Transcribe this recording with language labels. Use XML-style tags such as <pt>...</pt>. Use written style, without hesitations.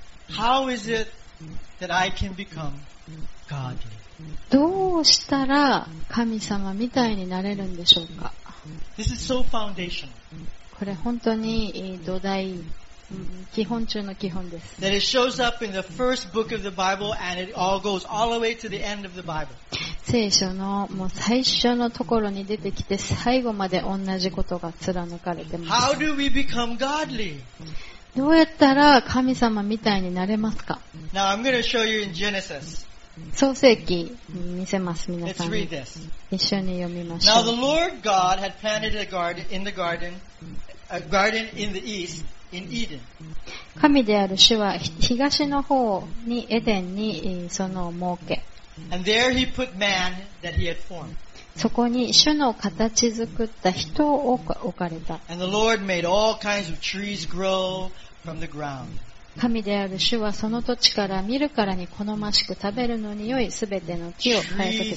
<en>How is it that I can become godly?</en> <ja>どうしたら神様みたいになれるんでしょうか。</ja> <en>This is so foundational.</en> <ja>これ本当に土台、基本中の基本です。</ja> <en>That it shows up in the first book of the Bible and it all goes all the way to the end of the Bible.</en> <ja>聖書のもう最初のところに出てきて最後まで同じことが貫かれてます。</ja> <en>How do we become godly?</en> <ja>どうやったら神様みたいになれますか。</ja> <en>Now I'm going to show you in Genesis.</en> <ja>創世記見せます。皆さん一緒に読みましょう。</ja> <en>Now the Lord God had planted a garden in the garden, a garden in the east, in Eden.</en> <ja>神である主は東の方にエデンにその設け。</ja> <en>And there he put man that he had formed.</en> <ja>そこに主の形作った人を置かれた。</ja> <en>And the Lord made all kinds of trees grow from the ground.</en> <ja>神である主はその土地から見るからに好ましく食べるのに良いすべての木を生えさ</ja>